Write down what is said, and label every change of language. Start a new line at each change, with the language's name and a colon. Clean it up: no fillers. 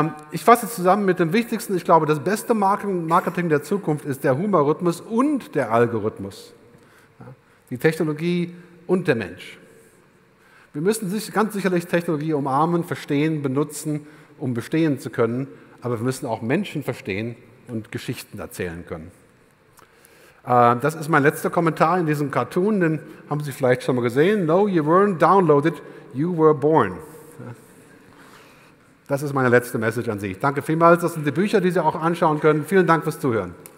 German: Ich fasse zusammen mit dem Wichtigsten, ich glaube, das beste Marketing der Zukunft ist der Humorismus und der Algorithmus, die Technologie und der Mensch. Wir müssen ganz sicherlich Technologie umarmen, verstehen, benutzen, um bestehen zu können, aber wir müssen auch Menschen verstehen und Geschichten erzählen können. Das ist mein letzter Kommentar in diesem Cartoon, den haben Sie vielleicht schon mal gesehen.
English: No, you weren't downloaded, you were born.
German: Das ist meine letzte Message an Sie. Danke vielmals, das sind die Bücher, die Sie auch anschauen können. Vielen Dank fürs Zuhören.